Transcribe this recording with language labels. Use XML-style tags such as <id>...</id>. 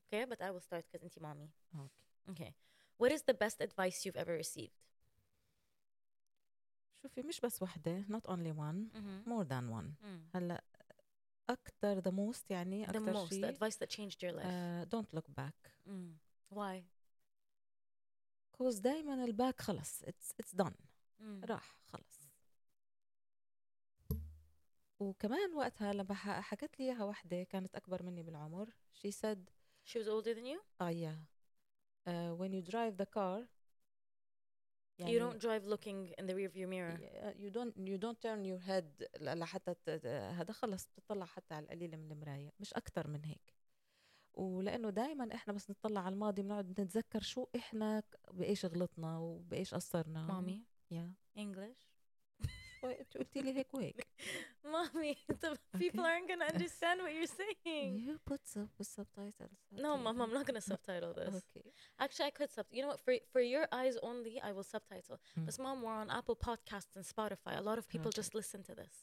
<en>Okay, but I will start because</en> <ar>انتي</ar> <en>mommy. Okay. Okay. What is the best advice you've ever received?</en> <ar>شوفي مش بس واحدة,</ar> <en>not only one, more than one.</en> <ar>هلا أكتر</ar> <en>the most</en> <ar>يعني أكتر شيء.</ar> <en>The most, the advice that changed your life. Don't look back. Why? Because</en> <ar>دايما الباك خلص,</ar> <en>it's done.</en> <ar>راح خلص. وكمان وقتها لما حكت لي اياها واحدة كانت أكبر مني بالعمر,</ar> <en>she said she was older than you. Yeah. When you drive the car, يعني you don't drive looking in the rearview mirror. You don't turn your head</en> <ar>لحتى هذا خلص, بتطلع حتى على القليلة من المراية, مش أكتر من هيك. ولأنه دائما إحنا بس نطلع على الماضي بنقعد نتذكر شو إحنا بإيش غلطنا وبإيش قصرنا. مامي يا</ar> <en>English</en> <ar>قلتي لي هيك وهيك.</ar> <en>Mommy people aren't gonna understand what you're saying. You put subtitles. No, mom, I'm not gonna subtitle this. Okay. Actually, I could subtitle. You know what? For your eyes only, I will subtitle. But mom, we're on Apple Podcasts and Spotify. A lot of people just listen to this.</en>